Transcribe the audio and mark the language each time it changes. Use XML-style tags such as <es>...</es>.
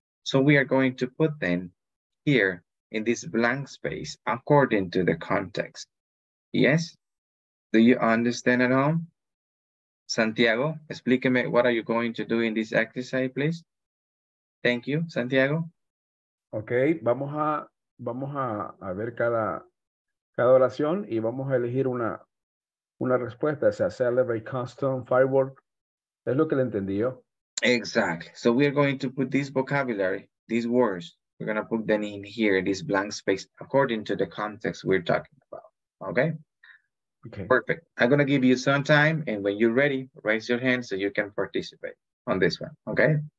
<en>So we are going to put them here in this blank space according to the context. Yes? Do you understand at home? Santiago,</en> <es>explíqueme,</es> <en>what are you going to do in this exercise, please? Thank you, Santiago.</en> <es>Okay, vamos a ver cada oración y vamos a elegir una respuesta. O sea, celebrate, custom, firework. Es lo que le entendí yo.</es> <en>Exactly. So we are going to put this vocabulary, these words, we're going to put them in here, this blank space, according to the context we're talking about. Okay? Okay. Perfect. I'm going to give you some time, and when you're ready, raise your hand so you can participate on this one, okay?</en>